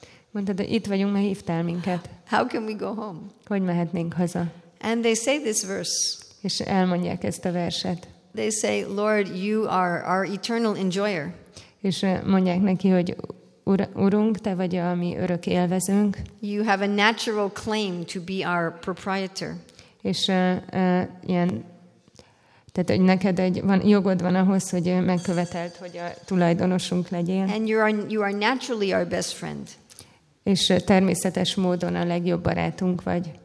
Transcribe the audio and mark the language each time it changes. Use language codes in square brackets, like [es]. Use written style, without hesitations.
[hu] Mondtad, de itt vagyunk, mert hívtál minket. [en] How can we go home? [hu] Hogy mehetnénk haza? [en] And they say this verse. [hu] És elmondják ezt a verset. [en] They say, Lord, you are our eternal enjoyer. [hu] És mondják neki, hogy Urunk, te vagy a mi örök élvezőnk. [en] You have a natural claim to be our proprietor. [hu] És ilyen tehát, hogy neked egy van, jogod van ahhoz, hogy megkövetelt, hogy a tulajdonosunk legyél. [en] And you are naturally our best friend. [hu] És természetes módon a legjobb barátunk vagy.